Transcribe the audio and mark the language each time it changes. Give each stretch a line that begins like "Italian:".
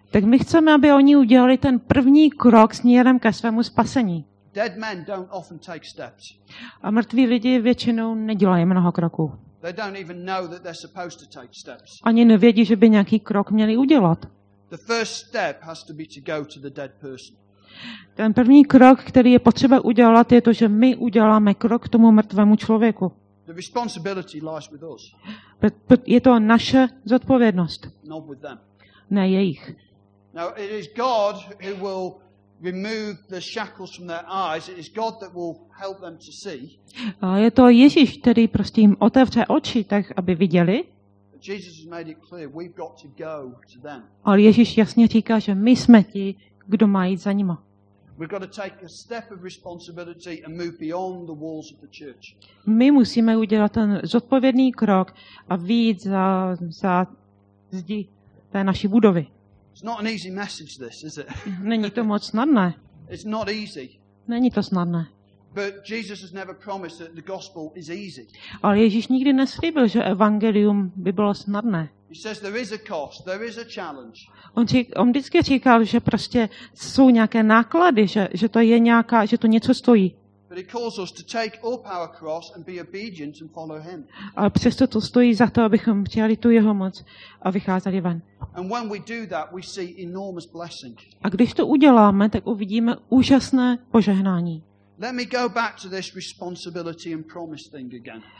Czech: Tak my chceme, aby oni udělali ten první krok směrem ke svému spasení.
English: Dead men don't often take steps.
Czech: A mrtví lidi většinou nedělají mnoho kroků.
English: They don't even know that they're supposed to take steps.
Czech: Ani nevědí, že by nějaký krok měli udělat.
English: The first step has to be to go to the dead person.
Czech: Ten první krok, který je potřeba udělat, je to, že my uděláme krok k tomu mrtvému člověku.
English: The responsibility lies with us.
Czech: Je to naše zodpovědnost.
English: Not with them.
Czech: Ne jejich.
English: Now it is God who will remove the shackles from their eyes. It is God that will help them to see.
Czech: A je to Ježíš, který prostě jim otevře oči, tak aby viděli.
English: Jesus has made it clear we've got to go to them.
Czech: Ale Ježíš jasně říká, že my jsme ti, kdo má jít za nima.
English: We've got to take a step of responsibility and move beyond the walls of the church.
Czech: My musíme udělat ten zodpovědný krok a vyjít za zdi té naší budovy.
English: It's not an easy message, this, is it?
Czech: Není to moc snadné.
English: It's not easy.
Czech: Není to snadné.
English: But Jesus has never promised that the gospel is easy.
Czech: Ale Ježíš nikdy neslíbil, že evangelium by bylo snadné.
English: He says there is a cost, there is a challenge.
Czech: On vždycky říkal, že prostě jsou nějaké náklady, že to je nějaká, že to něco stojí.
English: But he calls us to take up our cross and be obedient and follow him.
Czech: Ale přesto to stojí za to, abychom přijali tu jeho moc a vycházeli ven.
English: And when we do that, we see enormous blessing.
Czech: A když to uděláme, tak uvidíme úžasné požehnání.
English: Let me go back to this responsibility and promise thing again.